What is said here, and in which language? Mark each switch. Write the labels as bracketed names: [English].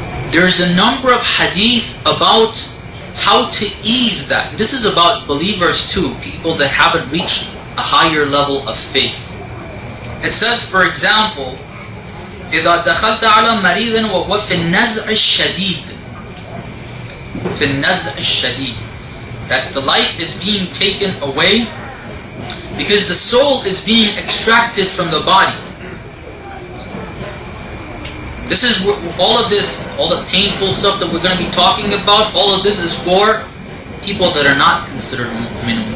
[English] There's a number of hadith about how to ease that. This is about believers too, people that haven't reached a higher level of faith. It says, for example, [Arabic] إذا دخلت على مريض وهو في النزع الشديد. في النزع الشديد. [English] That the life is being taken away because the soul is being extracted from the body. This is all of this, all the painful stuff that we're going to be talking about, all of this is for people that are not considered mu'min.